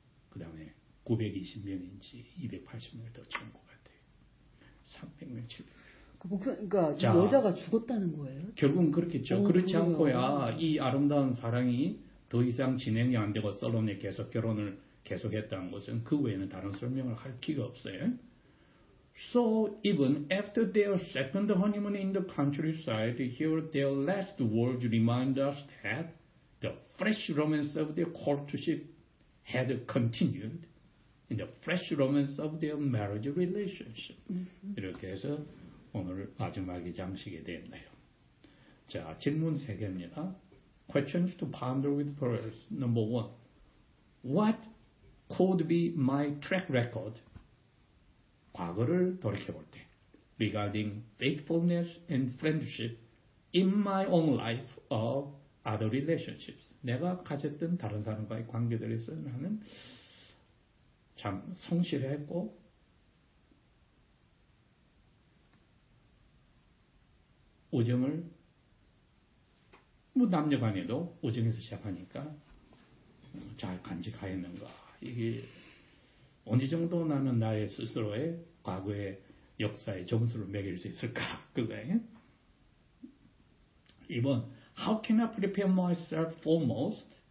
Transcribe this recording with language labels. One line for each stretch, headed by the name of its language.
Korean: 그 다음에 920명인지 280명을 더 채운 것 같아요. 300명, 700명. 그 목사, 그러니까 자, 여자가 죽었다는 거예요? 결국은 그렇겠죠. 그렇지 않고야 이 아름다운 사랑이 더 이상 진행이 안 되고 솔로몬이 계속 결혼을 계속했다는 것은 그 외에는 다른 설명을 할 기가 없어요.
English: So even after their second honeymoon in the countryside, here their last words remind us that the fresh romance of their courtship had continued in the fresh romance of their marriage relationship.
Korean: 이렇게 해서 오늘 마지막이 장식이 됐네요. 자, 질문 세 개입니다.
English: Questions to ponder with pearls. Number one, what could be my track record?
Korean: 과거를 돌이켜볼 때,
English: regarding faithfulness and friendship in my own life of other relationships.
Korean: 내가 가졌던 다른 사람과의 관계들에서 나는 참 성실했고 우정을 뭐 남녀간에도 우정에서 시작하니까 잘 간직하였는가, 이게 어느 정도 나는 나의 스스로의 과거의 역사의 점수를 매길 수 있을까, 그거예요. 2번,
English: How can I prepare myself for most?